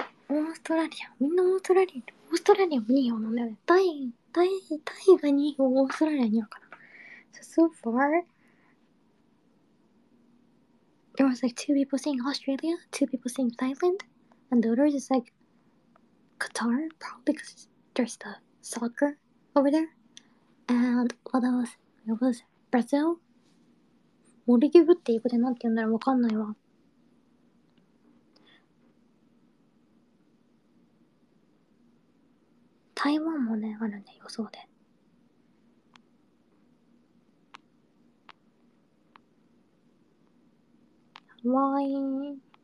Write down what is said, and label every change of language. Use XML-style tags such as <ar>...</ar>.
<ja>オーストラリア、みんなオーストラリア、オーストラリアも2票なんだよね。タイが2票、オーストラリア2票かな。</ja> <en>So far, there was like two people saying Australia, two people saying Thailand, and the others is like Qatar, probably because there's the soccer over there. And what else? It was Brazil?</en> <ja>モルギブって英語でなんて言うんだろう、わかんないわ。台湾もね、あるね、予想で。ワイン。</ja>